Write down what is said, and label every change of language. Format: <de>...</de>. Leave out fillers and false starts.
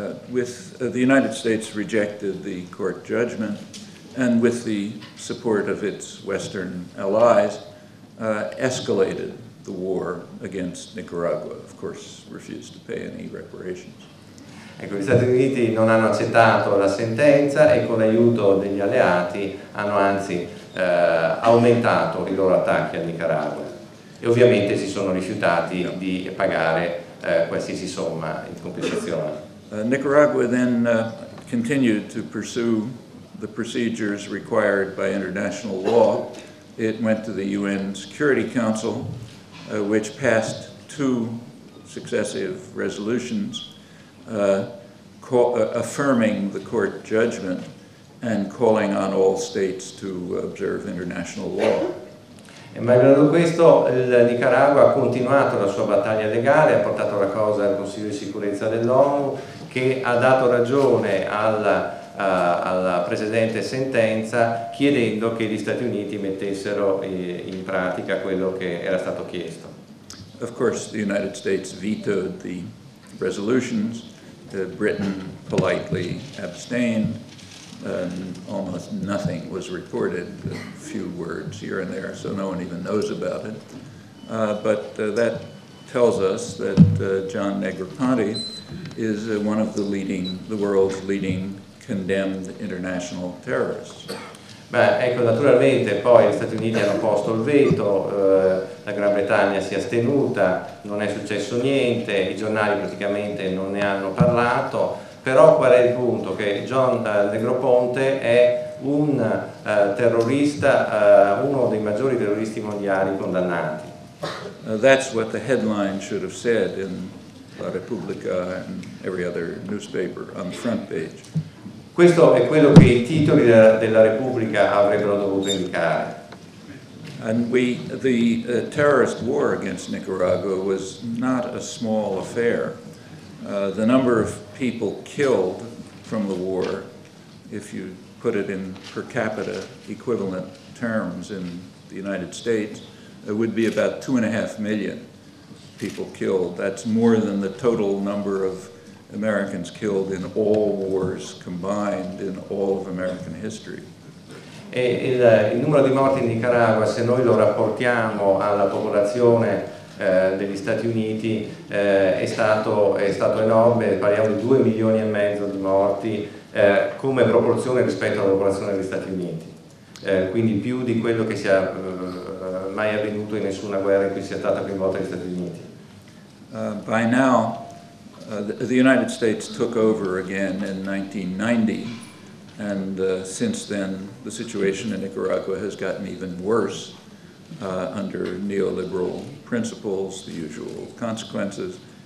<en>With the United States rejected the court judgment, and with the support of its Western allies, escalated the war against Nicaragua, of course, refused to pay any reparations.</en> <it>Ecco, gli Stati Uniti non hanno accettato la sentenza e con l'aiuto degli alleati hanno anzi aumentato i loro attacchi a Nicaragua e ovviamente si sono rifiutati di pagare qualsiasi somma in compensazione.</it> <en>Nicaragua then continued to pursue the procedures required by international law. It went to the UN Security Council, which passed two successive resolutions affirming the court judgment and calling on all states to observe international law.</en> <it>E malgrado questo, il Nicaragua ha continuato la sua battaglia legale, ha portato la cosa al Consiglio di Sicurezza dell'ONU, che ha dato ragione alla precedente sentenza chiedendo che gli Stati Uniti mettessero in pratica quello che era stato chiesto.</it> <en>Of course, the United States vetoed the resolutions. Britain politely abstained. Almost nothing was reported, a few words here and there, so no one even knows about it. But that tells us that John Negroponte is one of the world's leading condemned international terrorists.</en> <it>Beh, ecco, naturalmente poi gli Stati Uniti hanno posto il veto, la Gran Bretagna si è astenuta, non è successo niente, i giornali praticamente non ne hanno parlato, però qual è il punto? Che John Negroponte è un terrorista, uno dei maggiori terroristi mondiali condannati.</it> <en>That's what the headline should have said in La Repubblica and every other newspaper on the front page.</en> <it>Questo è quello che i titoli della Repubblica avrebbero dovuto indicare.</it> <en>The terrorist war against Nicaragua was not a small affair. The number of people killed from the war, if you put it in per capita equivalent terms in the United States, it would be about 2.5 million people killed. That's more than the total number of Americans killed in all wars combined in all of American history.</en> <it>E il numero di morti in Nicaragua, se noi lo rapportiamo alla popolazione degli Stati Uniti, è stato enorme, parliamo di 2.5 milioni di morti come proporzione rispetto alla popolazione degli Stati Uniti, quindi più di quello che sia mai avvenuto in nessuna guerra in cui sia stata coinvolta gli Stati Uniti.</it> <en>By now, the United States took over again in 1990, and since then the situation in Nicaragua has gotten even worse under neoliberal principles, the usual consequences.</en>